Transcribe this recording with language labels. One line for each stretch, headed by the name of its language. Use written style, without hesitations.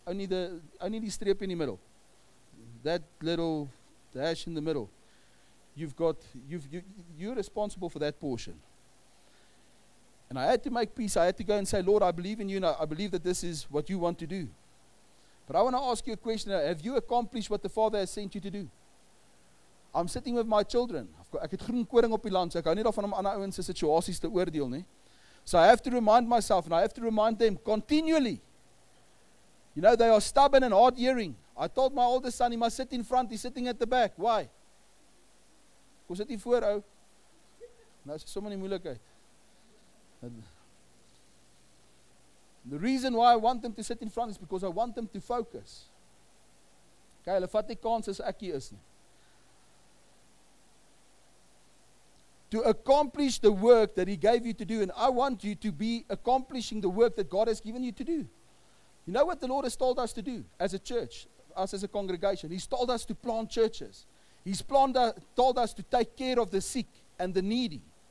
English: Only the strip in the middle. That little dash in the middle. You're responsible for that portion. And I had to make peace. I had to go and say, Lord, I believe in you, and I believe that this is what you want to do. But I want to ask you a question. Have you accomplished what the Father has sent you to do? I'm sitting with my children.
Afrikaans: Ek het groen koring op die land, so ek hou nie daarvan om ander ouens se situasies te oordeel nie.
English: So I have to remind myself, and I have to remind them continually. You know, they are stubborn and hard-hearing. I told my oldest son, he must sit in front, he's sitting at the back. Why?
Afrikaans: Hoe sit hy voor, ou? Nou is sommer nie moeilikheid.
English: The reason why I want them to sit in front is because I want them to focus.
Afrikaans: Okay, hulle vat die kans as ek hier is nie.
English: To accomplish the work that he gave you to do. And I want you to be accomplishing the work that God has given you to do. You know what the Lord has told us to do as a church, us as a congregation? He's told us to plant churches. He's told us to take care of the sick and the needy.